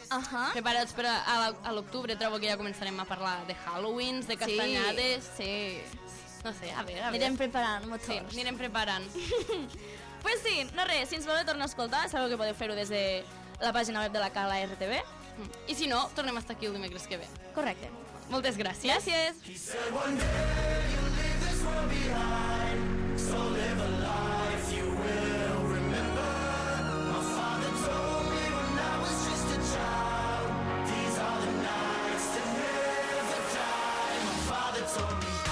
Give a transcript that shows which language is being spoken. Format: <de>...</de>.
<ca>Ajà. Preparats per a l'octubre, trobo que ja començarem a parlar de Halloween, de castanyades. Sí. Sí. No sé, a veure, a veure. Anirem preparant motors. Sí, anirem preparant.</ca> <es>Pues sí,</es> <ca>no res, si ens voleu tornar a escoltar, sabeu que podeu fer-ho des de la pàgina web de la Cala RTV. I si no, tornem hasta aquí el dimecres que ve. Correcte. Moltes gràcies. Gràcies.</ca> <en>He said one day you leave this world behind, so live a life you will remember. My father told me when I was just a child, these are the nights to never die. My father told me.</en>